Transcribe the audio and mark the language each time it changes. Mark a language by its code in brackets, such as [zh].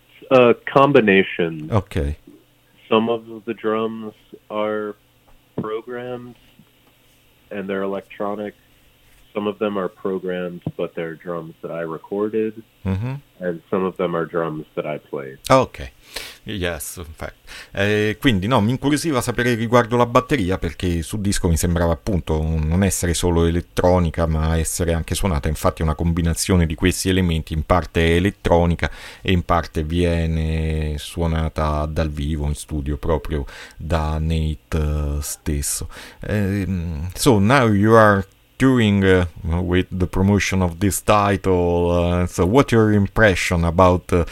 [en] A combination. Okay. Some of the drums are programmed and they're electronic. Some of them are programmed, but they're drums that I recorded, and some of them are drums that I played. Ok, yes, in fact. [it] Quindi no, mi incuriosiva sapere riguardo la batteria, perché sul disco mi sembrava appunto non essere solo elettronica, ma essere anche suonata. Infatti, è una combinazione di questi elementi, in parte elettronica e in parte viene suonata dal vivo in studio proprio da Nate stesso. [en] So now you are touring with the promotion of this title. So what's your impression about